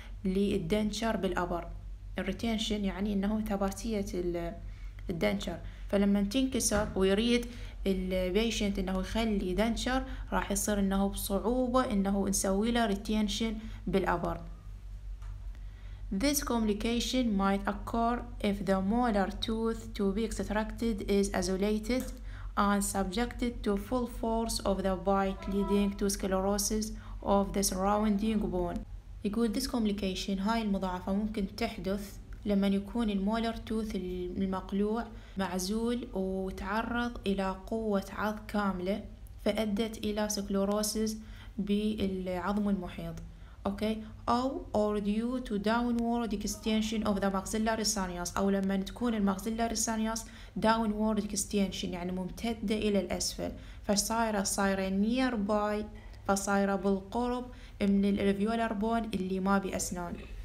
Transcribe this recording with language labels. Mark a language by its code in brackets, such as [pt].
[ar] للدنشر بالأبر. الريتينشن يعني انه ثباتية الدنشر، فلما تنكسر ويريد البيشنت انه يخلي دنشر راح يصير انه بصعوبة انه نسوي له ريتينشن بالأبر. [en] This complication might occur if the molar tooth to be extracted is isolated and subjected to full force of the bite leading to sclerosis of the surrounding bone. [ar] يقول [en] this complication، [ar] هاي المضاعفة ممكن تحدث لما يكون المولر توث المقلوع معزول وتعرض إلى قوة عض كاملة فأدت إلى سكلوروسيس بالعظم المحيط. أوكي [en] or due to downward extension of the maxillary sinus، [ar] أو لما تكون المغزلاري سانياس [en] downward extension [ar] يعني ممتدة إلى الأسفل، فصايرة [en] nearby، [ar] فصايرة بالقرب من الالفيولار بون اللي ما بأسنان.